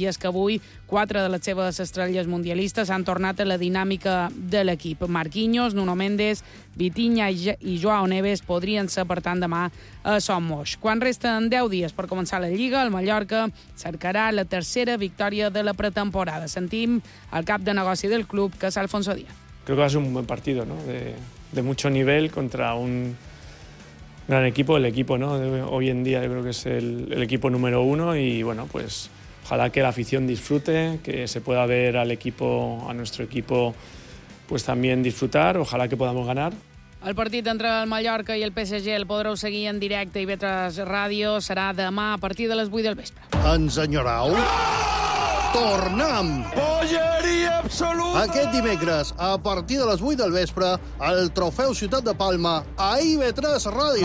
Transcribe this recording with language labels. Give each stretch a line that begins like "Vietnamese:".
Catalan: I és que avui quatre de les seves estrelles mundialistes han tornat a la dinàmica de l'equip. Marquinhos, Nuno Mendes, Vitinha i João Neves podrien ser, per tant, demà a Son Moix. Quan resten 10 dies per començar la Lliga, el Mallorca cercarà la tercera victòria de la pretemporada. Sentim el cap de negoci del club, que és Alfonso Díaz.
Spanish: Creo que va ser un buen partido, ¿no? De mucho nivel contra un gran equipo, el equipo, ¿no? Hoy en día creo que es el equipo número uno y, bueno, pues ojalá que la afición disfrute, que se pueda ver al equipo, a nuestro equipo, pues también disfrutar. Ojalá que podamos ganar.
Catalan: El partit entre el Mallorca i el PSG el podreu seguir en directe i Vetres Ràdio. Serà demà a partir de les 8 del vespre. Ens enyorau? No! Tornem! Bolleria absoluta! Aquest dimecres, a partir de les 8 del vespre, el trofeu Ciutat de Palma a IB3 Ràdio.